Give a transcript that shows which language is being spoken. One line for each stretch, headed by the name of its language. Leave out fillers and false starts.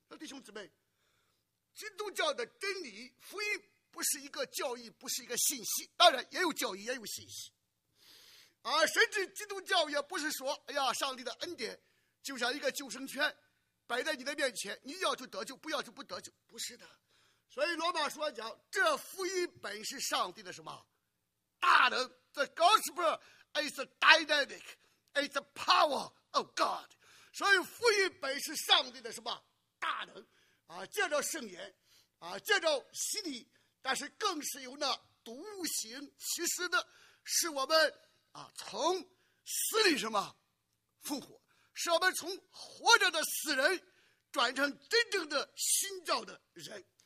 Chinese: 弟兄姊妹，基督教的真理福音不是一个教义，不是一个信息，当然也有教义也有信息啊，甚至基督教也不是说，哎呀，上帝的恩典就像一个救生圈摆在你的面前，你要就得救，不要就不得救，不是的。所以罗马书讲，这福音本是上帝的什么大能。
English: The gospel is a dynamic, is a power of God。
Chinese: 所以福音本是上帝的什么大能啊，借着圣言啊，借着洗礼，但是更是由那独行其实的，是我们啊从死里什么复活，使我们从活着的死人转成真正的新造的人。